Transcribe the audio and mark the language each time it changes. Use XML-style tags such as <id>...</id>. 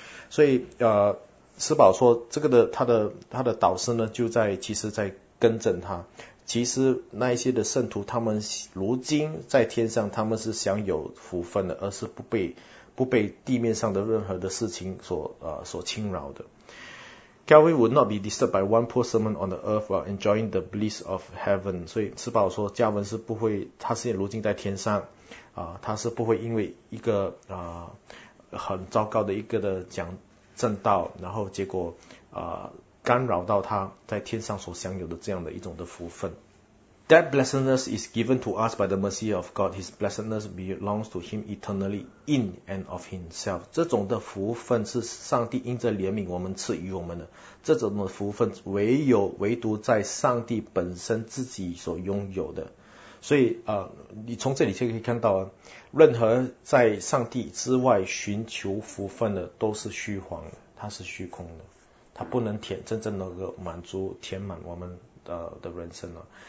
<zh>所以斯宝说这个的他的导师呢，就在其实在更正他，其实那一些的圣徒他们如今在天上他们是享有福分的，而是不被地面上的任何的事情所侵扰的。</zh> <en>Calvin would not be disturbed by one poor sermon on the earth while enjoying the bliss of heaven.</en> <zh>所以斯宝说加文是不会，他是如今在天上他是不会因为一个很糟糕的一个的讲正道，然后结果干扰到他在天上所享有的这样的一种的福分。</zh> <en>That blessedness is given to us by the mercy of God. His blessedness belongs to him eternally in and of himself.</en> <zh>这种的福分是上帝因着怜悯我们赐予我们的。这种的福分唯独在上帝本身自己所拥有的。所以你从这里就可以看到啊，任何在上帝之外寻求福分的都是虚谎的，它是虚空的，它不能真正能够满足填满我们的人生了。</zh>